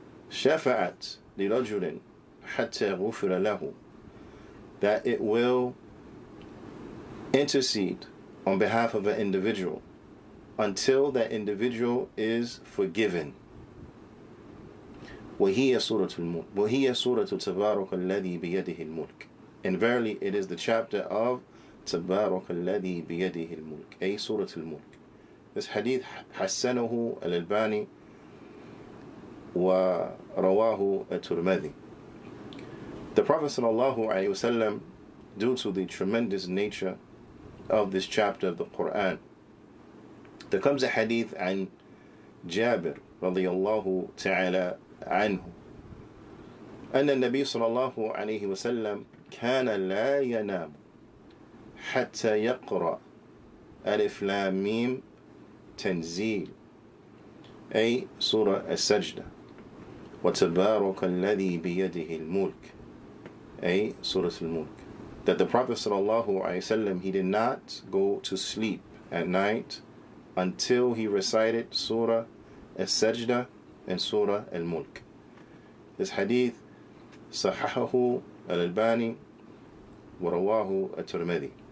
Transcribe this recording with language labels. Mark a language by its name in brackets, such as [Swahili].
[Arabic] "Shafa'at li rajulin hatta ghufira lahu," [English] that it will intercede on behalf of an individual until that individual is forgiven. [Arabic] وَهِيَ سُورَةُ تَبَارُكَ الَّذِي بِيَدِهِ الْمُلْكِ, [English] and verily it is the chapter of [Arabic] تَبَارُكَ الَّذِي بِيَدِهِ الْمُلْكِ, أي سورة الملك. [English] This hadith [Arabic] حسنه الألباني ورواه الترمذي. [English] The Prophet sallallahu alayhi wa sallam, due to the tremendous nature of this chapter of the Qur'an, there comes a hadith [Arabic] عن جابر رضي الله تعالى عنه أن النبي صلى الله عليه وسلم كان لا ينام حتى يقرأ ألف لام ميم تنزيل, أي سورة السجدة, وتبارك الذي بيده الملك, أي سورة الملك. [English] That the Prophet صلى الله عليه وسلم, he did not go to sleep at night until he recited Surah Al-Sajda and Surah Al-Mulk. This hadith [Arabic] sahahahu al-Albani wa rawahu al-Tirmidhi.